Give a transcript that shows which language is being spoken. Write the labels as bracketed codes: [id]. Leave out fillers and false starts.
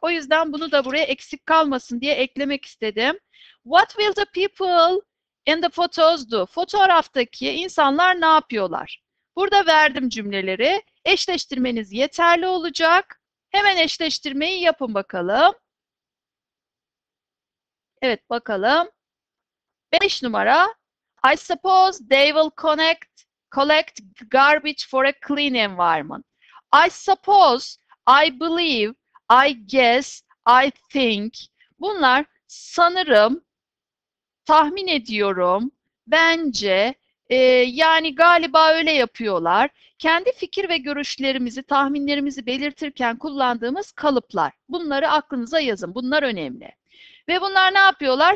[tr] O yüzden bunu da buraya eksik kalmasın diye eklemek istedim. [en] What will the people in the photos do? [tr] Fotoğraftaki insanlar ne yapıyorlar? Burada verdim cümleleri. Eşleştirmeniz yeterli olacak. Hemen eşleştirmeyi yapın bakalım. Evet, bakalım. 5 numara. [en] I suppose they will collect garbage for a clean environment. I suppose, I believe, I guess, I think. [tr] Bunlar sanırım, tahmin ediyorum, bence, yani galiba öyle yapıyorlar. Kendi fikir ve görüşlerimizi, tahminlerimizi belirtirken kullandığımız kalıplar. Bunları aklınıza yazın. Bunlar önemli. Ve bunlar ne yapıyorlar?